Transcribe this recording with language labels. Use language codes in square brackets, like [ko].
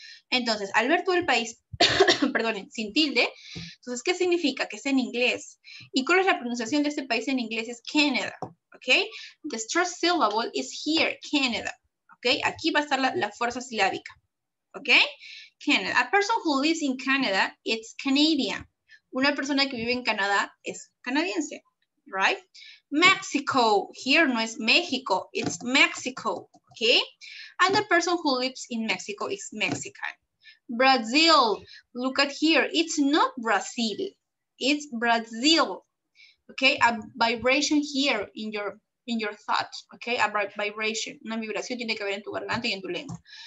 [es] Entonces, al ver todo el país, perdonen, sin tilde, entonces, ¿qué significa? Que es en inglés. ¿Y cuál es la pronunciación de este país en inglés? Es Canada, ¿ok? [en] The stressed syllable is here, [es] Canada, ¿ok? Aquí va a estar la fuerza silábica, ¿ok? [en] Canada. A person who lives in Canada, it's Canadian. [es] Una persona que vive en Canadá es canadiense, ¿right? [en] Mexico, here [es] no es México, [en] it's Mexico, ¿ok? And the person who lives in Mexico is Mexican. Brazil, look at here, it's not Brazil, it's Brazil, okay, a vibration here in your thought, okay, a vibration, [es] una vibración tiene que ver en tu garganta y en tu lengua.